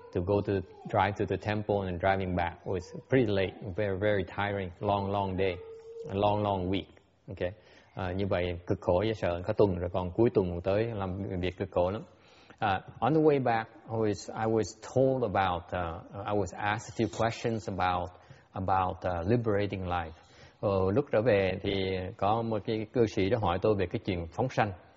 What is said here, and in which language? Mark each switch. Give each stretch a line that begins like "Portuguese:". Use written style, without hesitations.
English: To go to drive to the temple and driving back was pretty late, very very tiring, long day, long week.
Vietnamese: Okay, như vậy cực khổ và sợ cả tuần rồi còn cuối tuần tới làm việc cực khổ lắm.
English: On the way back, I was told about I was asked a few questions about liberating life.
Vietnamese: Lúc trở về thì có một cái cư sĩ đã hỏi tôi về cái chuyện phóng sanh.